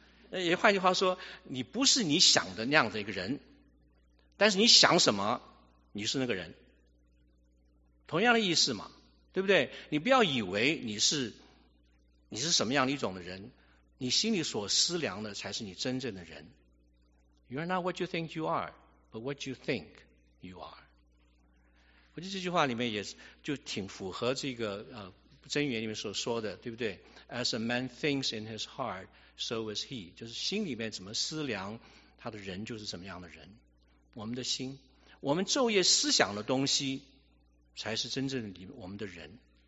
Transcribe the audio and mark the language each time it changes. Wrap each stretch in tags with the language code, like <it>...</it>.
<zh>也换句话说，你不是你想的那样的一个人，但是你想什么你是那个人，同样的意思嘛，对不对？你不要以为你是什么样的一种的人，你心里所思量的才是你真正的人。</zh> <en>You are not what you think you are, but what you think you are。</en> <zh>我觉得这句话里面也就挺符合这个箴言里面所说的，对不对？</zh> <en>As a man thinks in his heart, so is he。</en> <zh>就是心里面怎么思量，他的人就是怎么样的人。我们的心，我们昼夜思想的东西才是真正的我们的人。</zh>